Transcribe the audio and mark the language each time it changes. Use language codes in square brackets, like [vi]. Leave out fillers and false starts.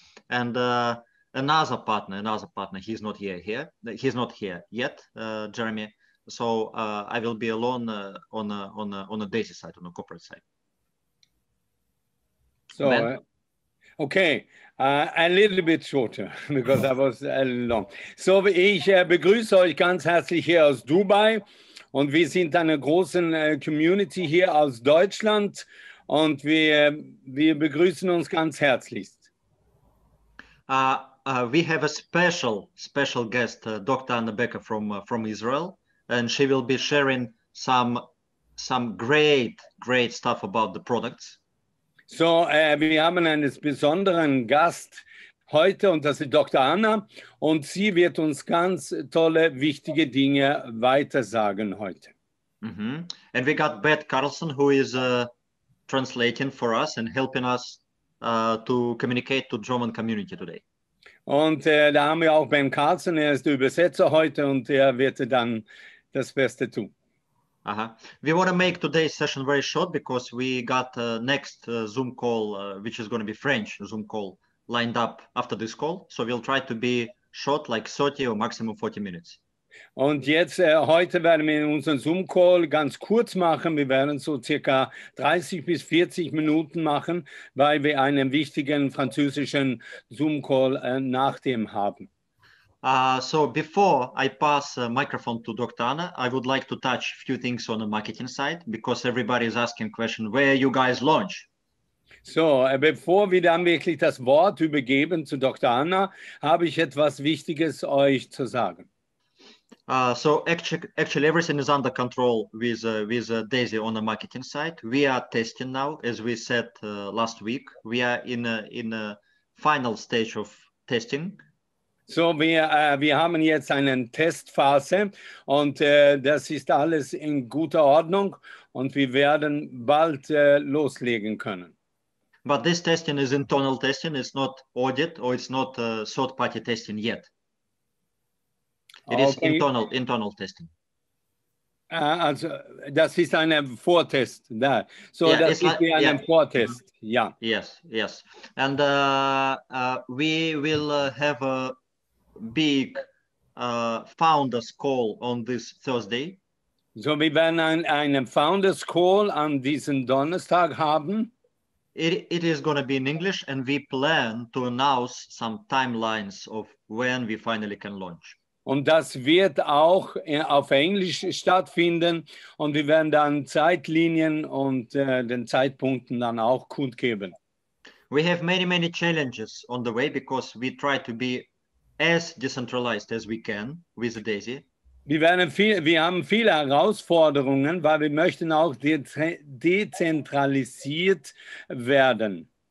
[en] And another partner, he's not here yet, Jeremy. So I will be alone on the Daisy side, on the corporate side. So, a little bit shorter, because that was long. [de] So, ich begrüße euch ganz herzlich hier aus Dubai. Und wir sind eine große Community hier aus Deutschland. Und wir begrüßen uns ganz herzlichst. [en] We have a special guest, Dr. Anna Becker from Israel. And she will be sharing some great stuff about the products. [de] So, wir haben einen besonderen Gast heute, und das ist Dr. Anna, und sie wird uns ganz tolle, wichtige Dinge weitersagen heute. Mm-hmm. [en] And we got Beth Carlson, who is translating for us and helping us to communicate to German community today. [de] Und da haben wir auch Ben Carlson, er ist der Übersetzer heute, und er wird dann das Beste tun. Uh-huh. [en] We want to make today's session very short because we got the next Zoom call, which is going to be French Zoom call, lined up after this call. So we'll try to be short, like 30 or maximum 40 minutes. [de] Und jetzt, heute werden wir unseren Zoom-Call ganz kurz machen. Wir werden so circa 30 bis 40 Minuten machen, weil wir einen wichtigen französischen Zoom-Call nach dem haben. [en] So before I pass the microphone to Dr. Anna, I would like to touch a few things on the marketing side, because everybody is asking question, where you guys launch? [de] So, bevor wir dann wirklich das Wort übergeben zu Dr. Anna, habe ich etwas Wichtiges euch zu sagen. [en] So actually everything is under control with Daisy on the marketing side. We are testing now, as we said last week. We are in a final stage of testing. [de] So, wir haben jetzt eine Testphase, und das ist alles in guter Ordnung, und wir werden bald loslegen können. [en] But this testing is internal testing, it's not audit, or it's not third-party testing yet. It is internal testing. [de] Also, das ist ein Vortest. Da. So, yeah, das ist ein Vortest, ja. Yeah. [en] Yes. And we will have a big founders call on this Thursday. So we will have a founders call on this [de] Donnerstag haben. [en] It is going to be in English, and we plan to announce some timelines of when we finally can launch. [de] Und das wird auch auf Englisch stattfinden, und wir werden dann Zeitlinien und den Zeitpunkten dann auch kundgeben. [en] We have many challenges on the way, because we try to be as decentralized as we can with Daisy. [de] Wir haben viele Herausforderungen, weil wir möchten auch dezentralisiert werden.